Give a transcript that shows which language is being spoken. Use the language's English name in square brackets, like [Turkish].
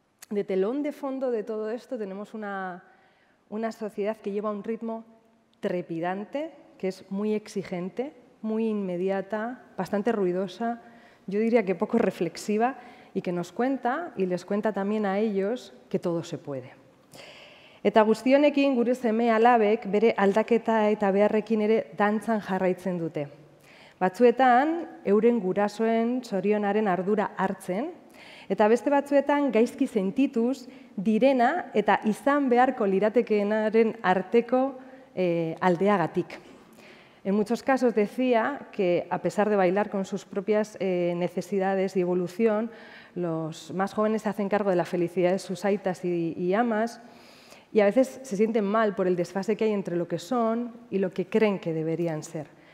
[Spanish] De telón de fondo de todo esto tenemos una sociedad que lleva un ritmo trepidante, que es muy exigente, muy inmediata, bastante ruidosa, yo diría que poco reflexiva, y que nos cuenta, y les cuenta también a ellos, que todo se puede. [Basque] Eta guztionekin gure seme alabek bere aldaketa eta beharrekin ere dantzan jarraitzen dute. Batzuetan, euren gurasoen zorionaren ardura hartzen, eta beste batzuetan gaizki sentituz direna eta izan beharko liratekeenaren arteko aldeagatik. [Spanish] En muchos casos decía que, a pesar de bailar con sus propias necesidades y evolución, los más jóvenes se hacen cargo de la felicidad de sus aitas y amas, y a veces se sienten mal por el desfase que hay entre lo que son y lo que creen que deberían ser.